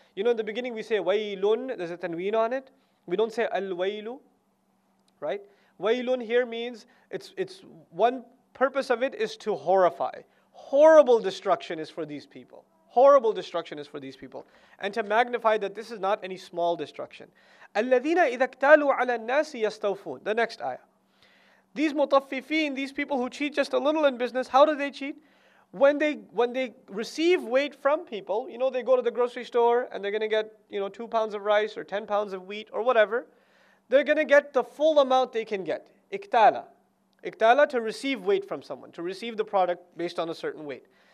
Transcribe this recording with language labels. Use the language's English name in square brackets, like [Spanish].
[English] You know, in the beginning we say, waylun, there's a tanween on it. We don't say al-waylu, right? Waylun here means, it's one purpose of it is to horrify. Horrible destruction is for these people. Horrible destruction is for these people. And to magnify that this is not any small destruction. [Arabic] الَّذِينَ إِذَا اكْتَالُوا عَلَى النَّاسِ يَسْتَوْفُونَ [English] The next ayah. These mutaffifin, these people who cheat just a little in business, how do they cheat? When they receive weight from people, you know, they go to the grocery store and they're going to get, you know, 2 pounds of rice or 10 pounds of wheat or whatever. They're going to get the full amount they can get. Iktala. Iktala, to receive weight from someone, to receive the product based on a certain weight.